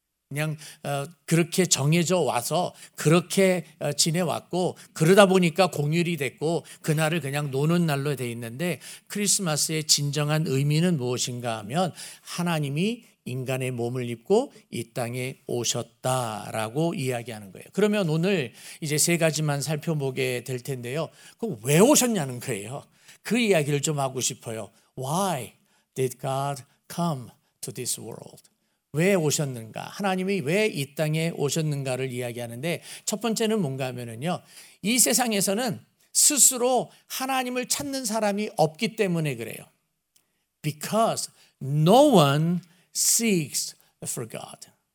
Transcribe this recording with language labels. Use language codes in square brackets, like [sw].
[ko] 그냥 그렇게 정해져 와서 그렇게 지내왔고, 그러다 보니까 공휴일이 됐고 그날을 그냥 노는 날로 돼 있는데, 크리스마스의 진정한 의미는 무엇인가 하면 하나님이 인간의 몸을 입고 이 땅에 오셨다라고 이야기하는 거예요. 그러면 오늘 이제 세 가지만 살펴보게 될 텐데요. 그럼 왜 오셨냐는 거예요. 그 이야기를 좀 하고 싶어요. [en] Why did God come to this world? [ko] 왜 오셨는가? 하나님이 왜 이 땅에 오셨는가를 이야기하는데, 첫 번째는 뭔가 하면은요, 이 세상에서는 스스로 하나님을 찾는 사람이 없기 때문에 그래요. [en] Because no one seeks for God.